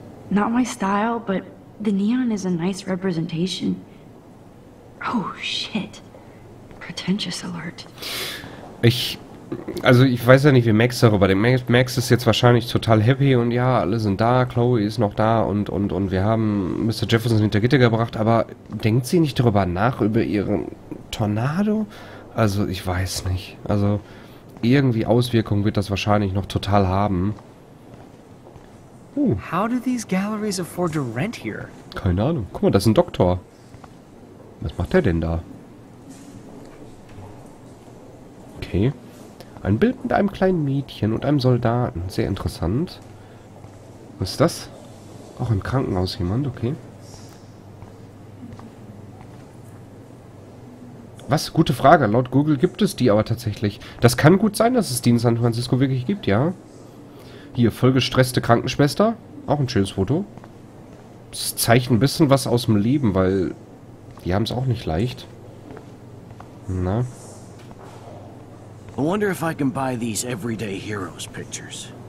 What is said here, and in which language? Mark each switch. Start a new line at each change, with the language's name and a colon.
English: Not my style, but the neon is a nice representation. Oh shit. Pretentious alert.
German: Ich weiß ja nicht, wie Max darüber denkt. Max ist jetzt wahrscheinlich total happy und ja, alle sind da, Chloe ist noch da und wir haben Mr. Jefferson hinter Gitter gebracht, aber denkt sie nicht darüber nach, über ihren Tornado? Also, ich weiß nicht. Also, irgendwie Auswirkungen wird das wahrscheinlich noch total haben.
English: How do these galleries afford to rent here?
German: Keine Ahnung. Guck mal, das ist ein Doktor. Was macht der denn da? Okay. Ein Bild mit einem kleinen Mädchen und einem Soldaten. Sehr interessant. Was ist das? Auch im Krankenhaus jemand, okay. Was? Gute Frage. Laut Google gibt es die aber tatsächlich. Das kann gut sein, dass es die in San Francisco wirklich gibt, ja. Hier, vollgestresste Krankenschwester. Auch ein schönes Foto. Das zeigt ein bisschen was aus dem Leben, weil die haben es auch nicht leicht. Na?
English: I wonder if I can buy these everyday heroes pictures.